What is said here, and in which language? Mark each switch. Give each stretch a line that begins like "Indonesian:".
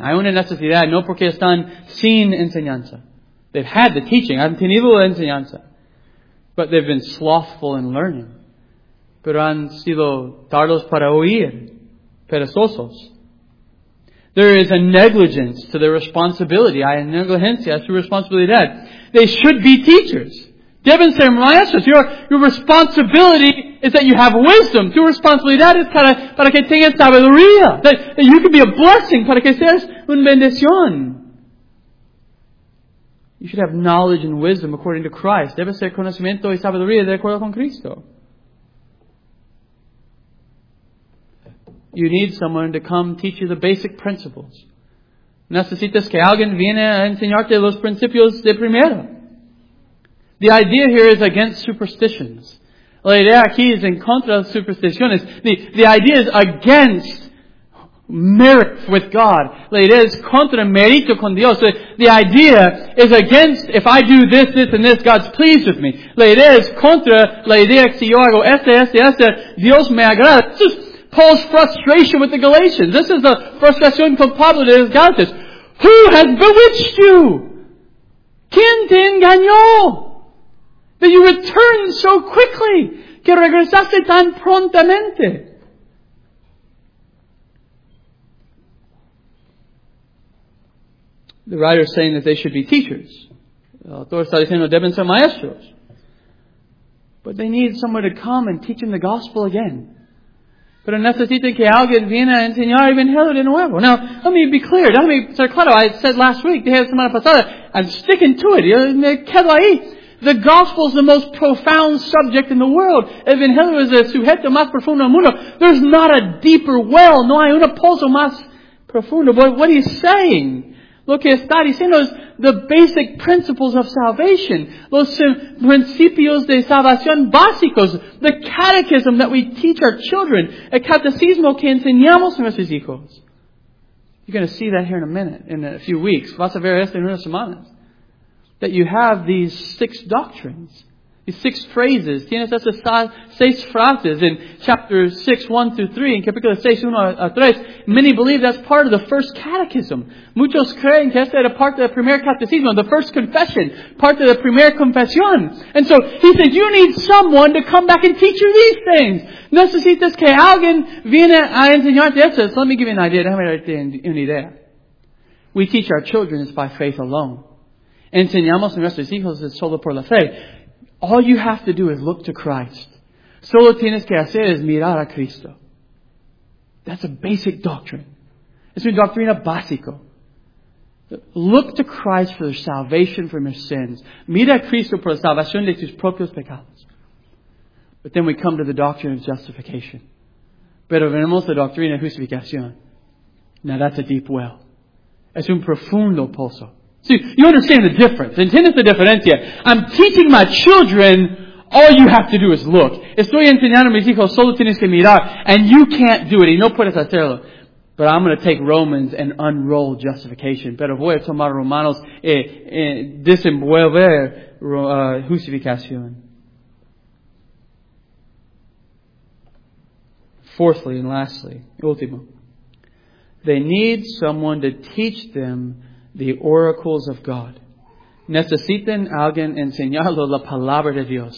Spanish: Hay una necesidad, no porque están sin enseñanza.
English: They've had the teaching,
Spanish: han tenido la enseñanza.
English: But they've been slothful in learning.
Spanish: Pero han sido tardos para oír, perezosos.
English: There is a negligence to their responsibility.
Spanish: Hay negligencia a su responsabilidad.
English: They should be teachers.
Spanish: Deben ser maestros.
English: Your responsibility is that you have wisdom.
Spanish: Tu responsabilidad es para que tengas sabiduría.
English: That you can be a blessing.
Spanish: Para que seas una bendición.
English: You should have knowledge and wisdom according to Christ.
Spanish: Debe ser conocimiento y sabiduría de acuerdo con Cristo.
English: You need someone to come teach you the basic principles.
Spanish: Necesitas que alguien viene a enseñarte los principios de primera.
English: The idea here is against superstitions.
Spanish: La idea aquí es en contra de supersticiones.
English: The idea is against merit with God.
Spanish: La idea es contra mérito con Dios.
English: So the idea is against, if I do this, this, and this, God's pleased with me.
Spanish: La idea es contra la idea que si yo hago este, este, este, Dios me agrada.
English: It's just Paul's frustration with the Galatians. This is the frustration
Spanish: con Pablo de los
English: Galatians. Who has bewitched you?
Spanish: ¿Quién te engañó?
English: That you return so quickly.
Spanish: Que regresaste tan prontamente.
English: The writer is saying that they should be teachers.
Spanish: El autor está diciendo deben ser maestros.
English: But they need someone to come and teach them the gospel again.
Spanish: Pero necesitan que alguien viene a enseñar el Evangelio de nuevo.
English: Now, let me be clear. Let me
Spanish: ser claro.
English: I said last week,
Spanish: dije la semana pasada,
English: I'm sticking to it.
Spanish: Me quedo ahí.
English: The gospel is the most profound subject in the world.
Spanish: El Evangelio es el sujeto más profundo del mundo.
English: There's not a deeper well.
Spanish: No hay un pozo más profundo.
English: But what he's saying,
Spanish: lo que está diciendo es
English: the basic principles of salvation.
Spanish: Los principios de salvación básicos.
English: The catechism that we teach our children.
Spanish: El catecismo que enseñamos a nuestros hijos.
English: You're going to see that here in a minute, in a few weeks.
Spanish: Vas a ver esto en unas semanas.
English: That you have these six doctrines. These six phrases.
Spanish: Tienes esas seis frases
English: in chapter 6, 1 through 3. In
Spanish: capítulo 6, 1 a 3.
English: Many believe that's part of the first catechism.
Spanish: Muchos creen que esta era parte del primer catecismo.
English: The first confession.
Spanish: Parte de la primera confesión.
English: And so, he said, you need someone to come back and teach you these things.
Spanish: Necesitas que alguien viene a enseñarte esto.
English: So let me give you an idea.
Spanish: Déjame darte una idea.
English: We teach our children by faith alone.
Spanish: Enseñamos a nuestros hijos es solo por la fe.
English: All you have to do is look to Christ.
Spanish: Solo tienes que hacer es mirar a Cristo.
English: That's a basic doctrine. It's
Spanish: una doctrina básica.
English: Look to Christ for the salvation from your sins.
Spanish: Mira a Cristo por la salvación de tus propios pecados.
English: But then we come to the doctrine of justification.
Spanish: Pero venimos a la doctrina de justificación.
English: Now that's a deep well.
Spanish: Es un profundo pozo.
English: See, you understand the difference.
Spanish: Entiendes la diferencia.
English: I'm teaching my children, all you have to do is look.
Spanish: Estoy enseñando a mis hijos, solo tienes que mirar.
English: And you can't do it.
Spanish: Y no puedes hacerlo.
English: But I'm going to take Romans and unroll justification.
Spanish: Pero voy a tomar Romanos y desenvolver justificación.
English: Fourthly and lastly,
Spanish: último.
English: They need someone to teach them the oracles of God.
Spanish: Necesitan alguien enseñarlo la palabra de Dios.